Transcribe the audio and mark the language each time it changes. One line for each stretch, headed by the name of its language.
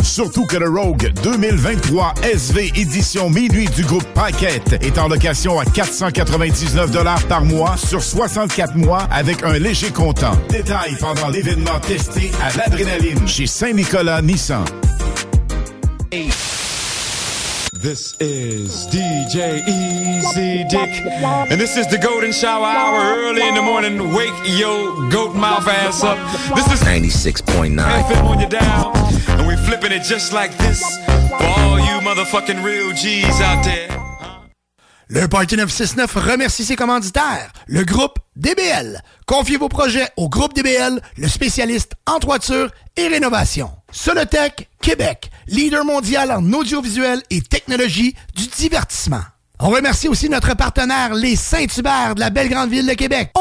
French: Surtout que le Rogue 2023 SV édition minuit du groupe Paquette est en location à $499 par mois sur 64 mois avec un léger comptant. Détails pendant l'événement testé à l'adrénaline chez Saint-Nicolas-Nissan.
English: This is DJ Easy Dick, and this is the Golden Shower Hour. Early in the morning, wake yo goat mouth ass up. This is 96.9 FM on your dial, and we're flipping it just like this for all you motherfucking real G's out there.
French: Le Party 969 remercie ses commanditaires, le groupe DBL. Confiez vos projets au groupe DBL, le spécialiste en toiture et rénovation. Solotech Québec, leader mondial en audiovisuel et technologie du divertissement. On remercie aussi notre partenaire, les Saint-Hubert de la belle grande ville de Québec.